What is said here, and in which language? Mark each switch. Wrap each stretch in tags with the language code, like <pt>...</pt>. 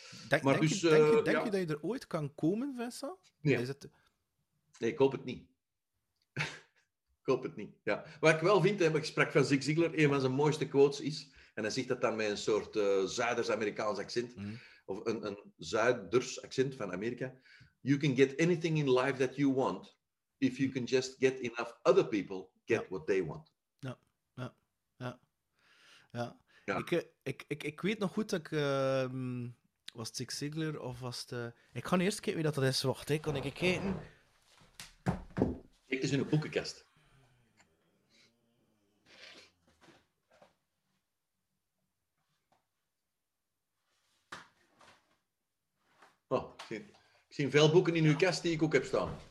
<nl>Denk je dat je er ooit kan komen, Vessa? Nee. Is het... nee, ik hoop het niet. Ik hoop het niet. Ja. Wat ik wel vind, ik sprak van Zig Ziglar, een van zijn mooiste quotes is, en hij zegt dat dan met een soort Zuiders-Amerikaans accent, mm-hmm. of een Zuiders accent van Amerika.</nl> <en>You can get anything in life that you want, if you can just get enough other people get what they want.</en> <nl>Ja, ja, ja. Ja. Ja. Ik weet nog goed dat ik... was het Zig Ziglar of was het... Ik ga eerst kijken wie dat is. Wacht, kan ik kijken? Kijk eens in een boekenkast. Ik zie veel boeken in uw kast die ik ook heb staan.</nl>